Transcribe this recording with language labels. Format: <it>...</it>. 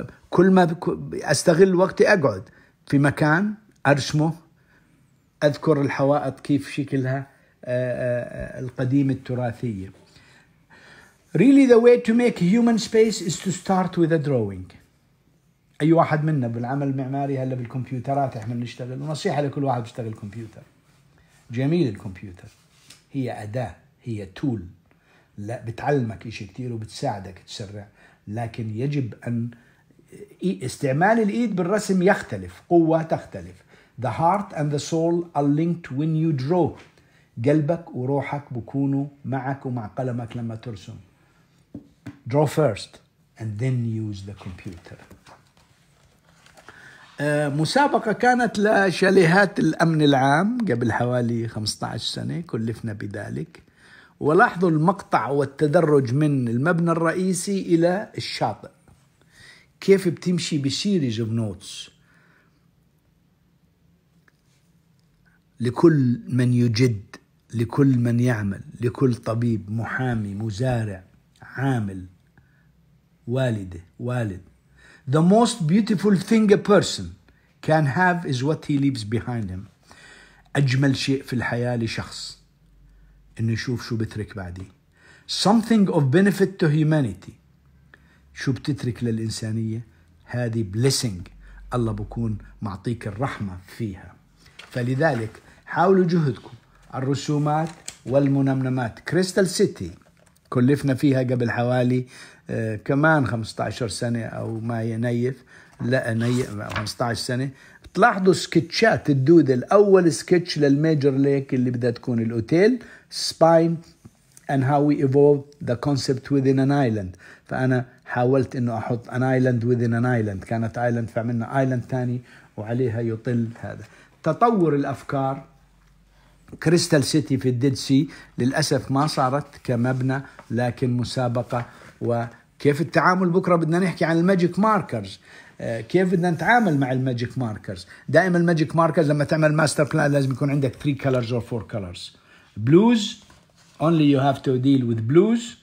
<ar>كل ما أستغل وقتي أقعد في مكان أرسمه, أذكر الحوائط كيف شكلها القديم التراثية.</ar> <en>Really, the way to make human space is to start with a drawing.</en> <ar>أي واحد منا بالعمل المعماري هلا بالكمبيوترات إحنا بنشتغل ونصيحة لكل واحد بيشتغل الكمبيوتر. جميل الكمبيوتر. هي أداة. هي تول. لا بتعلمك إشي كتير وبتساعدك تسرع. لكن يجب أن استعمال الإيد بالرسم يختلف. قوة تختلف.</ar> <en>The heart and the soul are linked when you draw.</en> <ar>قلبك وروحك بكونوا معك ومع قلمك لما ترسم.</ar> <en>Draw first and then use the computer.</en> <ar>مسابقة كانت لشاليهات الأمن العام قبل حوالي 15 سنة كلفنا بذلك. ولاحظوا المقطع والتدرج من المبنى الرئيسي إلى الشاطئ كيف بتمشي بسيريز</ar> <en>of notes</en> <ar>لكل من يجد، لكل من يعمل، لكل طبيب، محامي، مزارع، عامل، والدة، والد.</ar> <en>The most beautiful thing a person can have is what he leaves behind him.</en> <ar>أجمل شيء في الحياة لشخص إنه يشوف شو بترك بعدي.</ar> <en>Something of benefit to humanity.</en> <ar>شو بتترك للإنسانية؟ هذه blessing. الله بكون معطيك الرحمة فيها. فلذلك حاولوا جهدكم. الرسومات والمنمنمات. Crystal City. كلفنا فيها قبل حوالي كمان 15 سنة أو ما ينيف. لا نيف 15 سنة. تلاحظوا سكتشات الدودل. أول سكتش للميجر ليك اللي بدها تكون الأوتيل.</ar> <en>Spine and how we evolved the concept within an island.</en> <ar>فأنا حاولت إنه أحط</ar> <en>an island within an island.</en> <ar>كانت island فعملنا island تاني وعليها يطل هذا. تطور الأفكار. كريستال سيتي في الديد سي للأسف ما صارت كمبنى لكن مسابقة. وكيف التعامل بكرة بدنا نحكي عن الماجيك ماركرز. كيف بدنا نتعامل مع الماجيك ماركرز؟ دائما الماجيك ماركرز لما تعمل ماستر بلان لازم يكون عندك</ar> <en>3 colors or 4 colors. Blues only you have to deal with blues.</en>